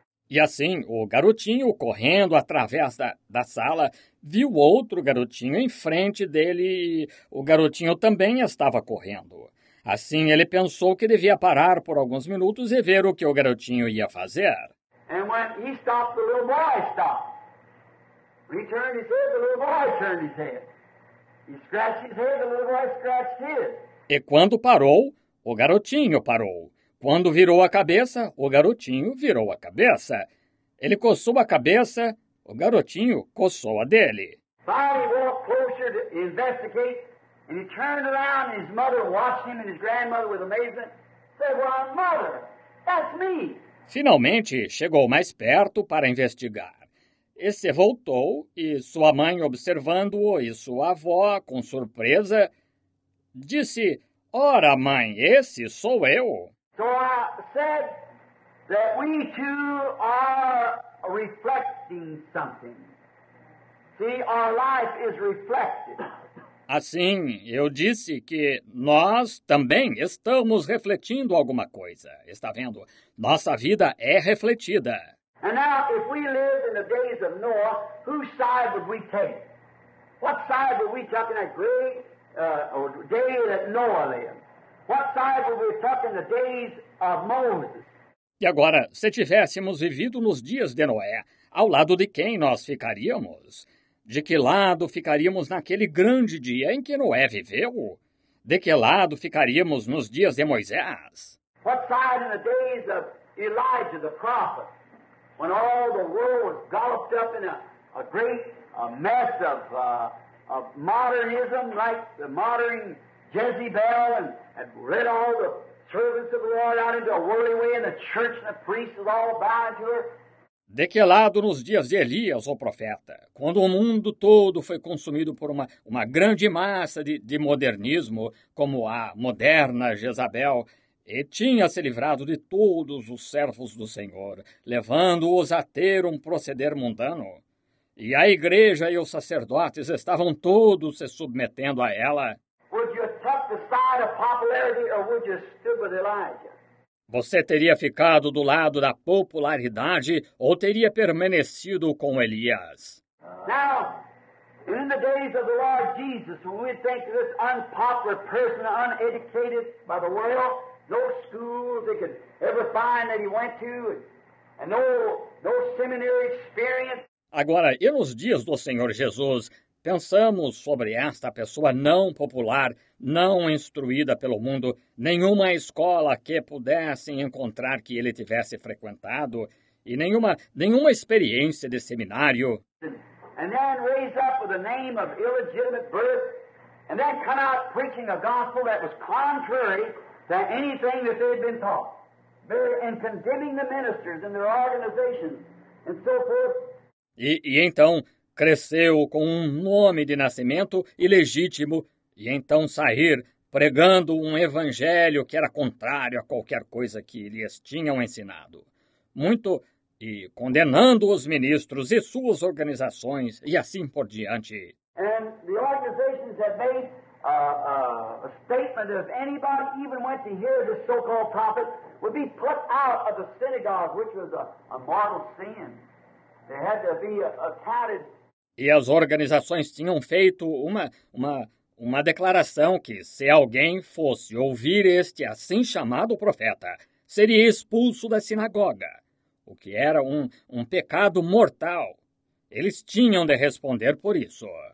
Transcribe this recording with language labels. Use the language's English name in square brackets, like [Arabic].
[Portuguese] E assim, o garotinho, correndo através da sala, viu outro garotinho em frente dele e o garotinho também estava correndo. Assim, ele pensou que devia parar por alguns minutos e ver o que o garotinho ia fazer. [English] And when he stopped, the little boy stopped. He turned his head, the little boy turned his head. He scratched his head, the little boy scratched his. [Portuguese] E quando parou, o garotinho parou. Quando virou a cabeça, o garotinho virou a cabeça. Ele coçou a cabeça, o garotinho coçou a dele. [English] Finally, he walked closer to investigate. And he turned around and his mother watched him and his grandmother with amazement. Said, "Why, mother, that's me." [Portuguese] Finalmente, chegou mais perto para investigar. Esse voltou e sua mãe observando-o e sua avó, com surpresa, disse, "Ora, mãe, esse sou eu." [English] So I said that we two are reflecting something. See, our life is reflected. [Portuguese] Assim, eu disse que nós também estamos refletindo alguma coisa. Está vendo? Nossa vida é refletida. [English] And now, if we lived in the days of Noah, whose side would we take? What side would we take in that great day that Noah lived? What side would we take in the days of Moses? [Portuguese] E agora, se tivéssemos vivido nos dias de Noé, ao lado de quem nós ficaríamos? De que lado ficaríamos naquele grande dia em que Noé viveu? De que lado ficaríamos nos dias de Moisés? [English] What side in the days of Elijah the prophet, when all the world was galloped up in a great mess of modernism, like the modern Jezebel, and led all the servants of the Lord out into a worldly way, and the church and the priests was all bowing to her? [Portuguese] De que lado nos dias de Elias, o profeta, quando o mundo todo foi consumido por uma grande massa de modernismo, como a moderna Jezabel, e tinha se livrado de todos os servos do Senhor, levando-os a ter um proceder mundano? E a igreja e os sacerdotes estavam todos se submetendo a ela? [English] Would you take the side of popularity or would you stick with Elijah? [Portuguese] Você teria ficado do lado da popularidade ou teria permanecido com Elias? [English] Now, in the days of the Lord Jesus, when we think of this unpopular person, uneducated by the world, no schools they could ever find that he went to, and no seminary experience. [Portuguese] Agora, e nos dias do Senhor Jesus, pensamos sobre esta pessoa não popular, não instruída pelo mundo, nenhuma escola que pudessem encontrar que ele tivesse frequentado e nenhuma experiência de seminário. [English] And then raise up with the name of illegitimate birth and then come out preaching a gospel that was contrary to anything that they had been taught. And condemning the ministers and their organizations and so forth. [Portuguese] E então cresceu com um nome de nascimento ilegítimo e então sair pregando um evangelho que era contrário a qualquer coisa que lhes tinham ensinado. Muito, e condenando os ministros e suas organizações e assim por diante. [English] And the organizations have made a statement that if anybody even went to hear this so-called prophet would be put out of the synagogue, which was a mortal sin. They had to be accounted. [Portuguese] E as organizações tinham feito uma declaração que, se alguém fosse ouvir este assim chamado profeta, seria expulso da sinagoga, o que era um pecado mortal. Eles tinham de responder por isso.